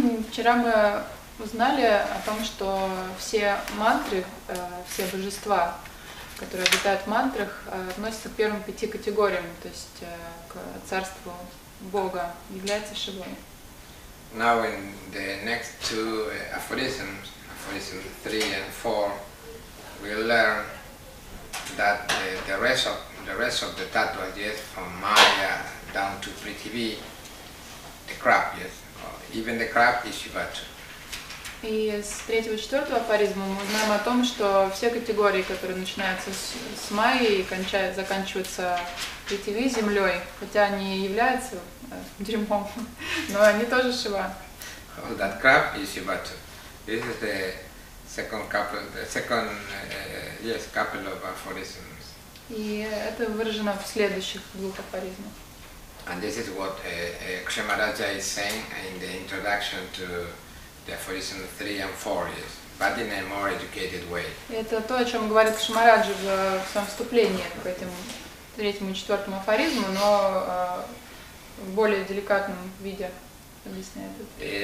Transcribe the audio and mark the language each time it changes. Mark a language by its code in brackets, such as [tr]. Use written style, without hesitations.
[ru] Вчера мы узнали о том, что все мантры, все божества, которые обитают в мантрах, относятся к первым пяти категориям, то есть к царству Бога, является Шивой. [en] Now in the next two aphorisms, aphorisms 3 and 4, we learn that the rest of the tattvas, yes, from Maya down to Prithivi, the crab, yes, or even the crab is Shiva too. [ru] И с третьего и четвертого афоризма мы узнаем о том, что все категории, которые начинаются с Майи и заканчиваются Прithivi, землей, хотя они являются дерьмом, но они тоже Шива. [en] All that crap is Shiva too. This is the second couple, the second yes, couple of aphorisms. [ru] И это выражено в следующих двух афоризмах. [en] And this is what Kshemaraja is saying in the introduction to the aphorism 3 and 4, yes, but in a more educated way. [ru] Это то, о чем говорит Кшемараджа в своем вступлении к этим третьему и четвертому афоризму, но в более деликатном виде объясняет это.